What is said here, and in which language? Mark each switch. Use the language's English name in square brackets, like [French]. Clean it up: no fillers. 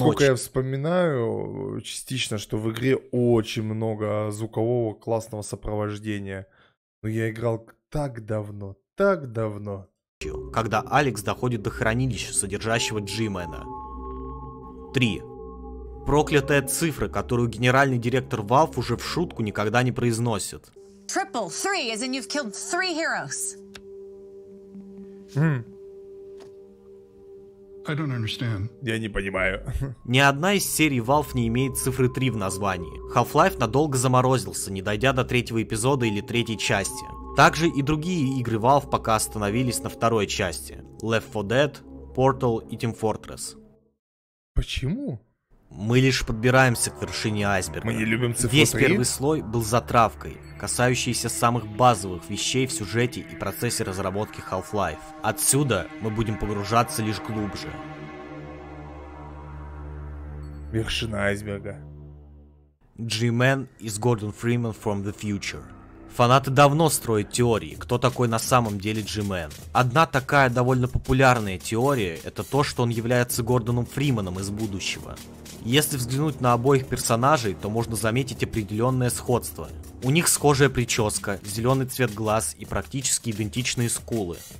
[Russian] Насколько я вспоминаю, частично, что в игре очень много звукового классного сопровождения. Но я играл так давно, так давно. Когда Alyx доходит до хранилища, содержащего G-Man'а. 3. Проклятая цифра, которую генеральный директор Valve уже в шутку никогда не произносит. [English] Triple three, as in you've killed three heroes. I don't understand. [Russian] Я не понимаю. Ни одна из серий Valve не имеет цифры 3 в названии. Half-Life надолго заморозился, не дойдя до третьего эпизода или третьей части. Также и другие игры Valve пока остановились на второй части. Left 4 Dead, Portal и Team Fortress. Почему? Мы лишь подбираемся к вершине айсберга. Мы не любим цифры 3? Весь первый слой был затравкой, касающейся самых базовых вещей в сюжете и процессе разработки Half-Life. Отсюда мы будем погружаться лишь глубже. Вершина айсберга. [English] G-Man is Gordon Freeman from the future. [Russian] Фанаты давно строят теории, кто такой на самом деле G-Man. Одна такая довольно популярная теория – это то, что он является Гордоном Фрименом из будущего. Если взглянуть на обоих персонажей, то можно заметить определенное сходство. У них схожая прическа, зеленый цвет глаз и практически идентичные скулы.